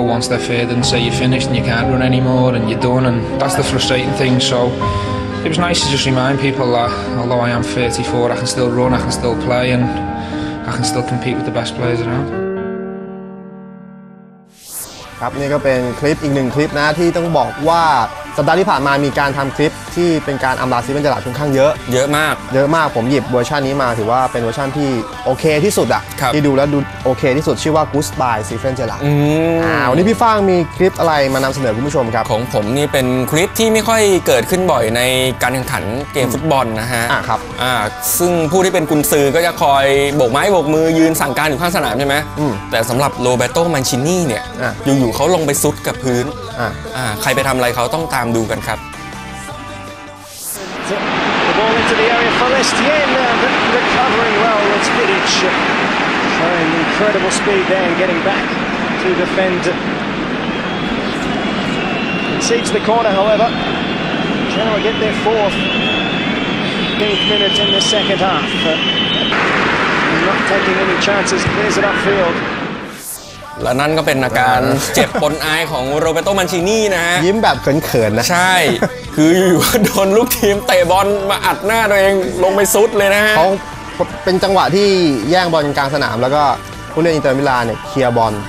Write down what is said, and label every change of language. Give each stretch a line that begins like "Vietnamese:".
English: They're fed and say you're finished and you can't run anymore and you're done and that's the frustrating thing. So it was nice to just remind people that although I am 34, I can still run, I can still play, and I can still compete with the best players around.
Thai: ครับนี่ก็เป็นคลิปอีกหนึ่งคลิปนะที่ต้องบอกว่าสัปดาห์ที่ผ่านมามีการทำคลิปที่เป็นการอำลาซีเฟนเจลาร์ดค่อนข้างเยอะ เยอะมาก เยอะมากผมหยิบเวอร์ชันนี้มาถือว่าเป็นเวอร์ชันที่โอเคที่สุดอ่ะที่ดูแล้วดูโอเคที่สุดชื่อว่า Goodbye ซีเฟนเจลาร์ดวันนี้พี่ฟางมีคลิปอะไรมานำเสนอคุณผู้ชมครับ ของผมนี่เป็นคลิปที่ไม่ค่อยเกิดขึ้นบ่อยในการแข่งขันเกมฟุตบอลนะฮะ ครับ ซึ่งผู้ที่เป็นกุนซือก็จะคอยโบกไม้โบกมือยืนสั่งการอยู่ข้างสนามใช่ไห ม แต่สำหรับโรเบโต้มันชินี่เนี่ยอยู่ๆเขาลงไปซุดกับพื้นใครไปทำอะไรเขาต้องตามดูกันครับ
English: gets it. The ball into the area for Lestien, but recovering well with Spidic. Showing incredible speed there and getting back to defend. Concedes the corner, however. Genoa get their fourth. 15th minute in the second half. Not taking any chances, clears it upfield.
Thai: และนั่นก็เป็นอาการเจ็บปนอายของโรเบโต้มันชินี่นะ ยิ้มแบบเขินๆนะ ใช่คืออยู่ๆโดนลูกทีมเตะบอลมาอัดหน้าตัวเองลงไปซุดเลยนะฮะ เป็นจังหวะที่แย่งบอลกลางสนามแล้วก็ผู้เล่นอินเตอร์มิลานเนี่ยเคลียร์บอล